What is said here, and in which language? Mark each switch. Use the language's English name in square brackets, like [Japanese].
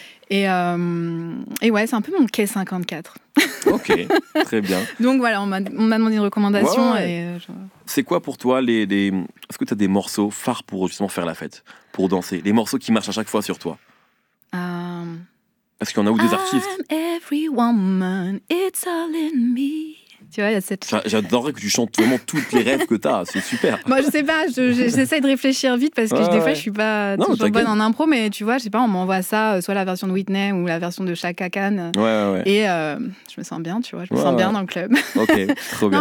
[French] Et ouais, c'est un peu mon K54. Ok, très bien. Donc voilà, on m'a demandé une recommandation. Ouais. C'est quoi pour toi les... Est-ce que tu as des morceaux phares pour justement faire la fête, pour danser? Les morceaux qui marchent à chaque fois sur toi? Parce qu'il y en a où des artistes? [English] I'm every woman, it's all in me. [French] Tu vois, il y a cette... J'adorerais que tu chantes vraiment toutes les rêves que t'as, c'est super. Moi, je sais pas, j'essaie de réfléchir vite parce que fois, je suis pas toujours bonne en impro, mais tu vois, je sais pas, on m'envoie ça, soit la version de Whitney ou la version de Chaka Khan. Ouais. Et je me sens bien, tu vois, je me sens bien dans le club. Ok, trop bien.